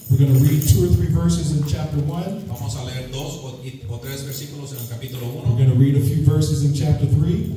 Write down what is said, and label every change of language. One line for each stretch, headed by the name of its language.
English: We're going to read 2 or 3 verses in chapter 1.
Spanish: Vamos a leer 2 o 3 versículos en el capítulo 1.
English: We're going to read a few verses in chapter 3.